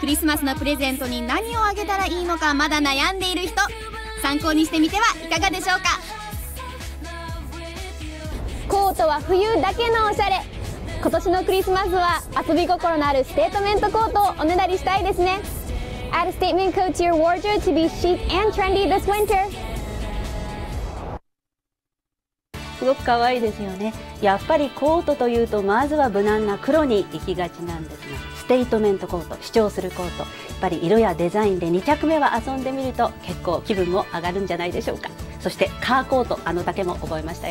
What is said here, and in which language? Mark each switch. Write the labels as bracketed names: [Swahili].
[Japanese] クリスマスのプレゼントに何をあげたらいいのかまだ悩んでいる人、参考にしてみてはいかがでしょうか。コートは冬だけのおしゃれ。今年のクリスマスは遊び心のあるステートメントコートをおねだりしたいですね。 [English] Add a statement coat to your wardrobe to be chic and trendy this winter. [Japanese] すごく可愛いですよね。やっぱりコートというとまずは無難な黒に行きがちなんですが、ステートメントコート、主張するコート、やっぱり色やデザインで2着目は遊んでみると結構気分も上がるんじゃないでしょうか。そしてカーコート、あの丈も覚えましたよ。